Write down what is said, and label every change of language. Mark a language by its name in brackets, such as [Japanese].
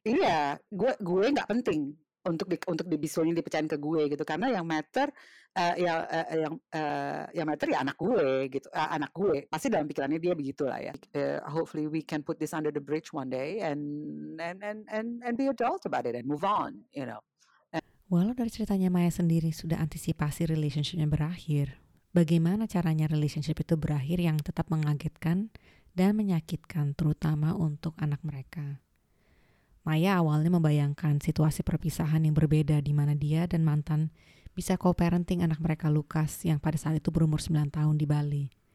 [Indonesian] Iya, gue enggak penting untuk dibisulnya dipecahin ke gue gitu, karena yang matter ya anak gue gitu, anak gue pasti dalam pikirannya dia begitulah ya. [English] Hopefully we can put this under the bridge one day and be adult about it and move on, you know. [Indonesian] Walau dari ceritanya Maya sendiri sudah antisipasi relationship-nya berakhir, bagaimana caranya relationship itu berakhir yang tetap mengagetkan dan menyakitkan, terutama untuk anak mereka. Maya awalnya membayangkan situasi perpisahan yang berbeda di mana dia dan mantan bisa co-parenting anak mereka Lucas yang pada saat itu berumur 9 tahun di Bali.